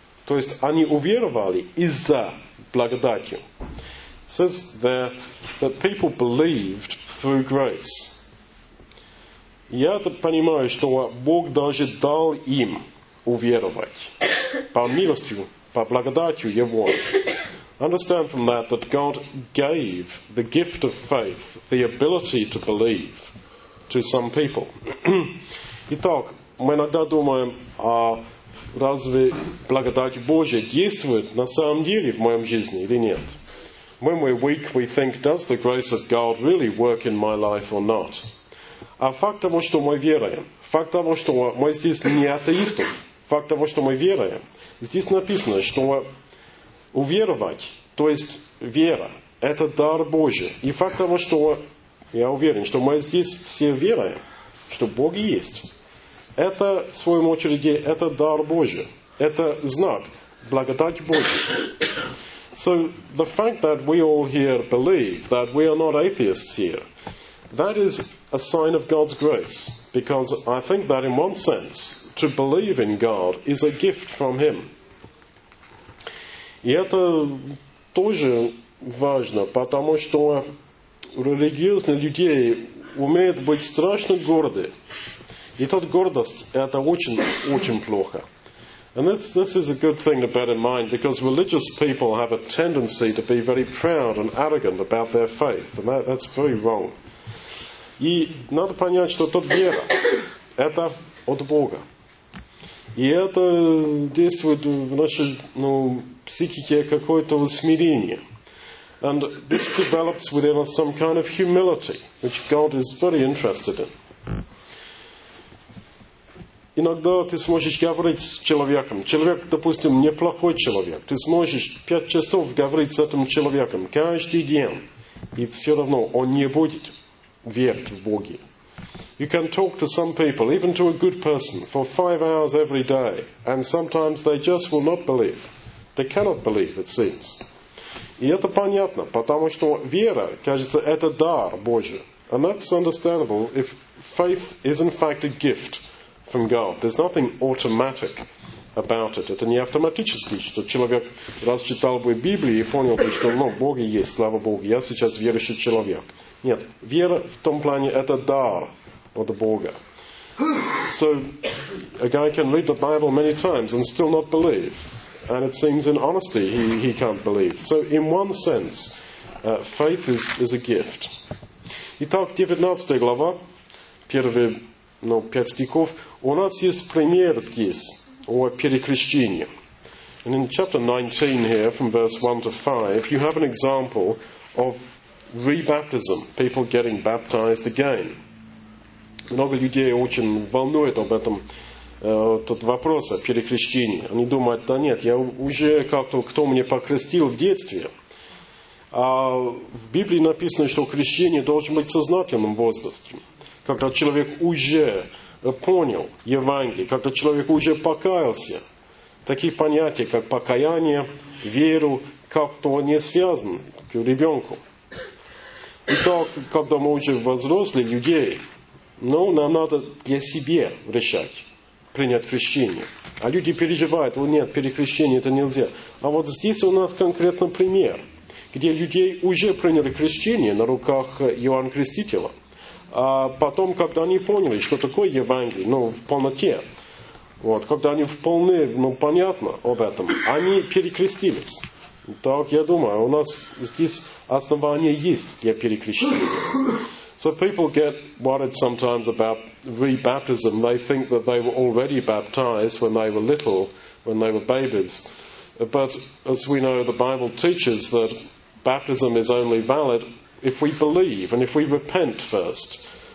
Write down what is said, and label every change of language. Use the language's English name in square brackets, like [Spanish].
[Russian] То есть они уверовали из-за благодатью. [English] It says there that people believed through grace. [Russian] Я понимаю, что Бог даже дал им уверовать по милостью. По благодатью Его. [English] Understand from that that God gave the gift of faith, the ability to believe, to some people. [Russian] Итак, мы иногда думаем, а разве благодать Божия действует на самом деле в моем жизни или нет? [English] When we're weak, we think, does the grace of God really work in my life or not? [Russian] А факт того, что мы веруем, факт того, что мы здесь не атеисты, факт того, что мы веруем, здесь написано, что уверовать, то есть вера, это дар Божий. И факт того, что я уверен, что мы здесь все веруем, что Бог есть, это, в свою очередь, это дар Божий. Это знак, благодать Божия. [English] So, the fact that we all here believe that we are not atheists here, that is a sign of God's grace, because I think that in one sense, to believe in God is a gift from Him. [Russian] И это тоже важно, потому что религиозные люди умеют быть страшно горды. И тот гордость, это очень-очень плохо. [English] And this is a good thing to bear in mind, because religious people have a tendency to be very proud and arrogant about their faith, and that's very wrong. [Russian] И надо понять, что тот вера, это от Бога. И это действует в нашей психике какое-то усмирение. [English] And this develops within us some kind of humility, which God is very interested in. [Russian] Иногда ты сможешь говорить с человеком. Человек, допустим, неплохой человек. Ты сможешь 5 часов говорить с этим человеком каждый день. И все равно он не будет верить в Бога. [English] You can talk to some people, even to a good person, for 5 hours every day, and sometimes they just will not believe. They cannot believe, it seems. [Russian] И это понятно, потому что вера, кажется, это дар Божий. [English] And that's understandable if faith is in fact a gift from God. There's nothing automatic about it. [Russian] Это не автоматически, что человек раз читал бы Библию и понял бы, что Бог есть, слава Богу, я сейчас верующий человек. Нет, вера в том плане это дар от Бога. [English] So, a guy can read the Bible many times and still not believe. And it seems in honesty he can't believe. So, in one sense, faith is a gift. [Russian] Итак, 19 глава, первые 5 стихов. У нас есть пример здесь о перекрещении. [English] And in chapter 19 here, from verse 1 to 5, you have an example of rebaptism, people getting baptized again. [Russian] Много людей очень волнует об этом тот вопрос о перекрещении. Они думают, да нет, я уже как-то, кто мне покрестил в детстве. А в Библии написано, что крещение должно быть сознательным возрастом. Когда человек уже понял Евангелие, когда человек уже покаялся. Такие понятия, как покаяние, веру, как-то не связан к ребенку. Итак, когда мы уже возросли, людей, нам надо для себя решать, принять крещение. А люди переживают, о нет, перекрещение это нельзя. А вот здесь у нас конкретно пример, где людей уже приняли крещение на руках Иоанна Крестителя. А потом, когда они поняли, что такое Евангелие, ну, в полноте, вот, когда они вполне, ну, понятно об этом, они перекрестились. Так, я думаю, у нас здесь основание есть для перекрещения. [English] So people get worried sometimes about re-baptism. They think that they were already baptized when they were little, when they were babies. But as we know, the Bible teaches that baptism is only valid if we believe and if we repent first.